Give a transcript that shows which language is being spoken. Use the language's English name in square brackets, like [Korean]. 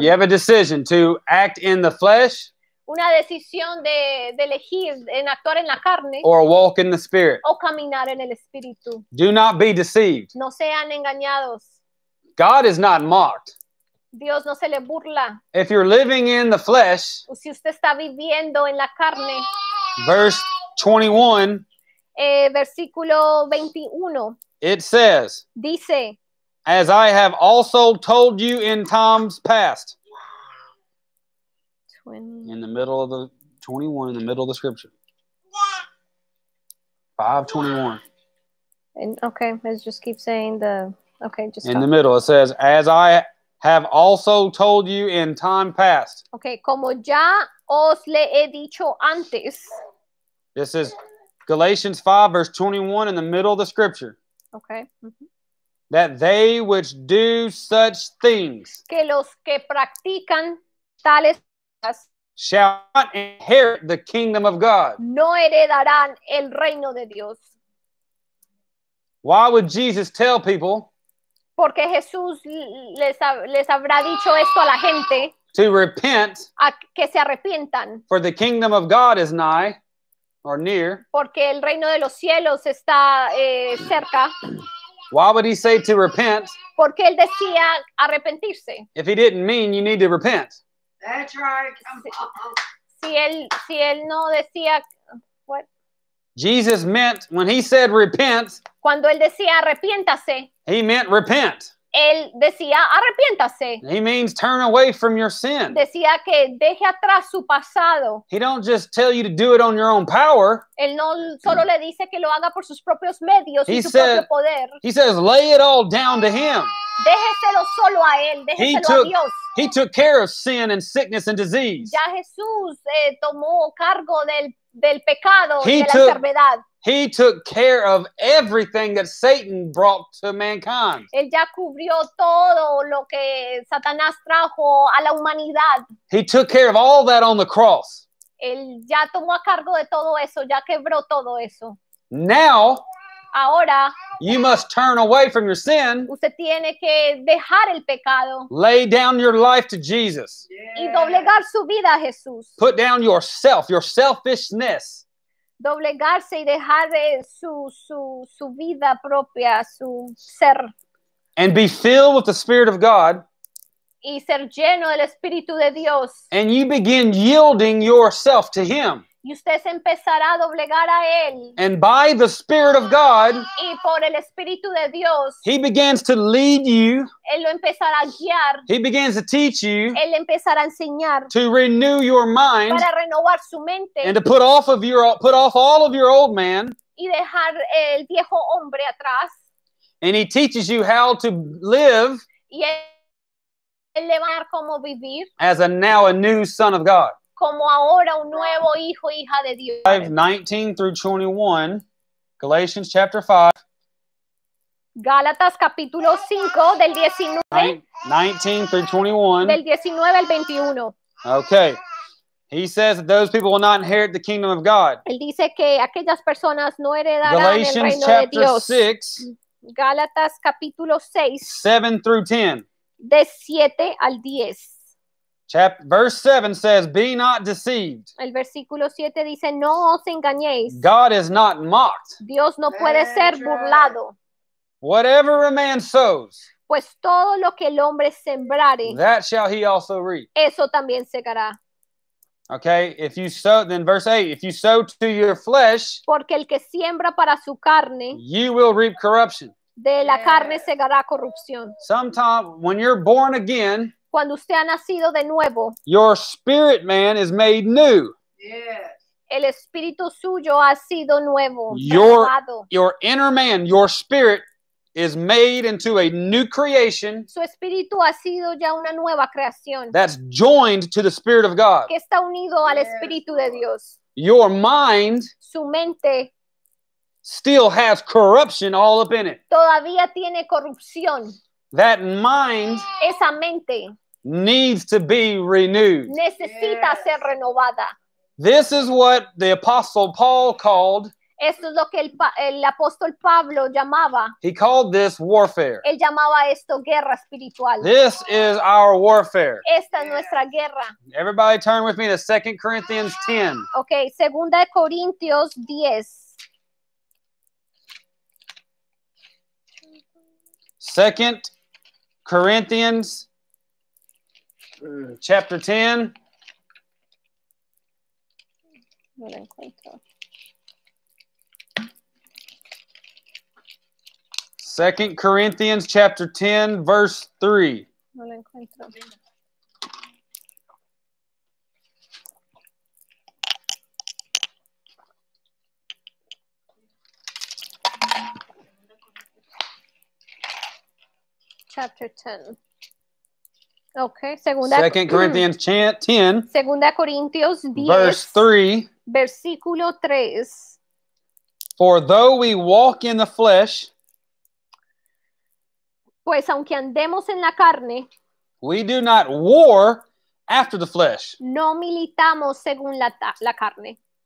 [English] You have a decision to act in the flesh. [Spanish] Una decisión de elegir en actuar en la carne. [English] Or walk in the Spirit. [Spanish] O caminar en el Espíritu. [English] Do not be deceived. [Spanish] No sean engañados. [English] God is not mocked. [Spanish] Dios no se le burla. [English] If you're living in the flesh. [Spanish] O si usted está viviendo en la carne. [English] Verse 21. [Spanish] Versículo 21. [English] It says. [Spanish] Dice. [English] As I have also told you in times past. In the middle of the 21, in the middle of the scripture. 5:21. And okay, let's just keep saying the okay, just in the middle. It says, as I have also told you in time past. [Spanish] Okay, como ya os le he dicho antes. [English] This is Galatians 5, verse 21, in the middle of the scripture. Okay. Mm-hmm. That they which do such things. [Spanish] Que los que practican tales cosas. [English] Shall not inherit the kingdom of God. [Spanish] No heredarán el reino de Dios. [English] Why would Jesus tell people? [Spanish] Porque Jesús les habrá dicho esto a la gente. [English] To repent. [Spanish] A que se arrepientan. [English] For the kingdom of God is nigh, or near. [Spanish] Porque el reino de los cielos está cerca. [English] Why would he say to repent? [Spanish] Porque él decía arrepentirse. [English] If he didn't mean you need to repent. That's right. Come on. [Spanish] Si él no decía, [English] what? Jesus meant, when he said repent, [Spanish] cuando él decía arrepiéntase, [English] he meant repent. [Spanish] Él decía arrepiéntase. [English] He means turn away from your sin. [Spanish] Decía que deje atrás su pasado. [English] He don't just tell you to do it on your own power. [Spanish] Él no solo le dice que lo haga por sus propios medios y su propio poder. [English] He says, lay it all down to him. [Spanish] Déjeselo solo a él, déjeselo a Dios. [English] He took care of sin and sickness and disease. [Spanish] Ya Jesús tomó cargo del pecado y de la enfermedad. [English] He took care of everything that Satan brought to mankind. [Spanish] Él ya cubrió todo lo que Satanás trajo a la humanidad. [English] He took care of all that on the cross. [Spanish] Él ya tomó a cargo de todo eso, ya quebró todo eso. [English] Now, [Spanish] ahora, [English] you must turn away from your sin. [Spanish] Usted tiene que dejar el pecado. [English] Lay down your life to Jesus. [Spanish] Yeah. Y doblegar su vida a Jesús. [English] Put down yourself, your selfishness. [Spanish] Doblegarse y dejar su vida propia, su ser. [English] And be filled with the Spirit of God. [Spanish] Y ser lleno del Espíritu de Dios. [English] And you begin yielding yourself to Him. [Spanish] Y usted se empezará a doblegar a él. [English] And by the Spirit of God, [Spanish] y por el Espíritu de Dios, [English] he begins to lead you. [Spanish] Él lo empezará a guiar. [English] He begins to teach you. [Spanish] Él le empezará a enseñar. [English] To renew your mind. [Spanish] Para renovar su mente. [English] And to put off all of your old man. [Spanish] Y dejar el viejo hombre atrás. [English] And he teaches you how to live. [Spanish] Y él le va a dar cómo vivir. [English] As a now a new son of God. [Spanish] Como ahora un nuevo hijo, hija de Dios. [English] 5:19-21, Galatians chapter 5. [Spanish] Gálatas capítulo 5, del 19. [English] 19-21. [Spanish] Del 19 al 21. [English] Okay. He says that those people will not inherit the kingdom of God. [Spanish] Él dice que aquellas personas no heredarán el reino de Dios. [English] Galatians chapter 6. [Spanish] Gálatas capítulo 6. [English] 7-10. [Spanish] De 7 al 10. [English] Verse 7 says, be not deceived. [Spanish] El versículo 7 dice, no os engañéis. [English] God is not mocked. [Spanish] Dios no puede ser burlado. [English] Whatever a man sows, [Spanish] pues todo lo que el hombre sembrare, [English] that shall he also reap. [Spanish] Eso también segará. [English] Okay, if you sow, then verse 8, if you sow to your flesh, [Spanish] porque el que siembra para su carne, [English] you will reap corruption. [Spanish] De la carne segará corrupción. [English] Sometimes, when you're born again, [Spanish] cuando usted ha nacido de nuevo, [English] your spirit man is made new. Yes. [Spanish] El espíritu suyo ha sido nuevo. [English] Your inner man, your spirit, is made into a new creation. [Spanish] Su espíritu ha sido ya una nueva creación. [English] That's joined to the Spirit of God. [Spanish] Que está unido al espíritu de Dios. [English] Your mind. [Spanish] Su mente. [English] Still has corruption all up in it. [Spanish] Todavía tiene corrupción. [English] That mind, [Spanish] esa mente, [English] needs to be renewed. [Spanish] Necesita yes. ser renovada. [English] This is what the Apostle Paul called. [Spanish] Esto es lo que el apóstol Pablo llamaba. [English] He called this warfare. [Spanish] Él llamaba esto guerra espiritual. [English] This is our warfare. [Spanish] Esta es nuestra guerra. [English] Everybody turn with me to 2 Corinthians 10. [Spanish] Okay, Segunda de Corintios 10. [English] 2 Corinthians chapter 10. Second Corinthians chapter 10, verse 3. chapter 10. Okay, segunda, Second Corinthians 10. [Spanish] Segunda Corintios 10. [English] Verse 3. [Spanish] Versículo 3. [English] For though we walk in the flesh, [Spanish] pues aunque andemos en la carne, [English] we do not war after the flesh. [Spanish] No militamos según la carne.